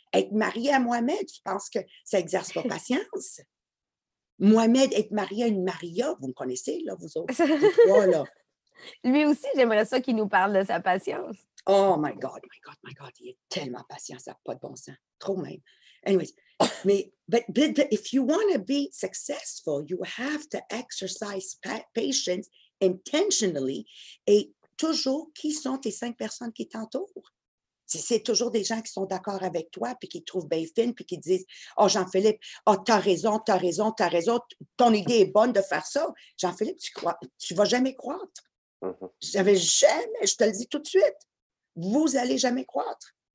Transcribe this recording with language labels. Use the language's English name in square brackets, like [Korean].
[French] Être marié à Mohamed, tu penses que ça n'exerce pas patience? Mohamed, être marié à une Maria, vous me connaissez, là, vous autres. Voilà. Lui aussi, j'aimerais ça qu'il nous parle de sa patience. [English] Oh my God, my God, my God, [French] il est tellement patient, ça n'a pas de bon sens. Trop même. [English] Anyways, mais but if you want to be successful, you have to exercise patience [French] intentionally, et toujours qui sont tes cinq personnes qui t'entourent. Si c'est toujours des gens qui sont d'accord avec toi, puis qui te trouvent bien fine, puis qui disent, oh Jean-Philippe, oh t'as raison, ton idée est bonne de faire ça. Jean-Philippe, tu vas jamais croître. Je te le dis tout de suite, vous allez jamais croître.